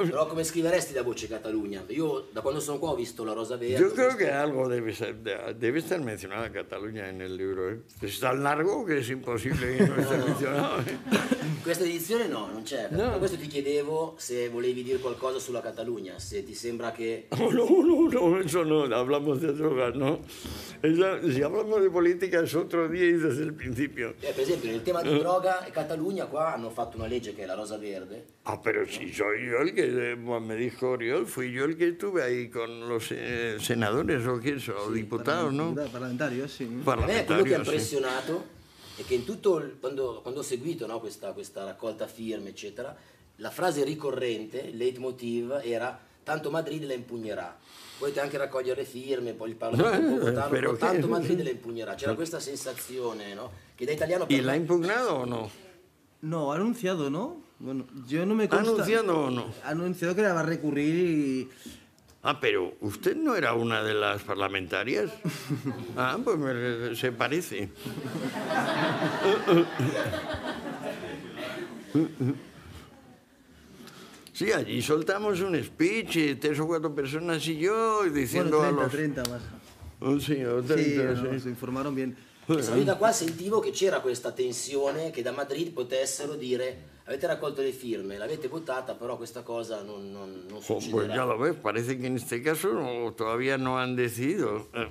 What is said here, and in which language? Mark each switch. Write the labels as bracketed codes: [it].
[es] Pero ¿cómo escribirías la voz de Cataluña? Yo, de cuando estoy aquí, he visto la Rosa Verde. Yo creo que algo debe ser, debe estar mencionada Cataluña en el libro. ¿Eh? Es tan largo que es imposible que no esté mencionado. Esta edición no, no [it] c'è. [es] No. Por eso [it] te chiedevo si volevi dire qualcosa sulla Cataluña, si te sembra que... [es] No, eso no, hablamos de drogas, ¿no? Esa, si hablamos de política es otro día y desde el principio. Por ejemplo, en el tema de droga, [it] Cataluña, qua hanno fatto una legge che è la Rosa Verde. Ah, però sì, no? [es] Soy yo el que me dijo Oriol, fui yo el que estuve ahí con los senadores o qué eso, sí, diputado, ¿no? Parlamentario, sí. [it] Parlamentario, quello che ha impressionato è che in tutto quando ho seguito, no, questa raccolta firme, eccetera, la frase ricorrente, leitmotiv, era tanto Madrid la impugnerà. Potete anche raccogliere firme, poi il Parlamento può votarlo, tanto Madrid la impugnerà. C'era questa sensazione, no, che da italiano e l'ha impugnato o no? [es] No, ha anunciado, ¿no? Bueno, yo no me consta. ¿Anunciado o no? Ha anunciado que la va a recurrir y... Ah, pero usted no era una de las parlamentarias. Ah, pues se parece. Sí, allí soltamos un speech, tres o cuatro personas y yo, diciendo bueno, 30, a los... 30 más. Sí, 30, sí, no, sí. Se informaron bien. [it] Salito da qua sentivo che c'era questa tensione che da Madrid potessero dire avete raccolto le firme, l'avete votata, però questa cosa non succederà. [es] Pues ya lo ves, parece que en este caso todavía no han decidido.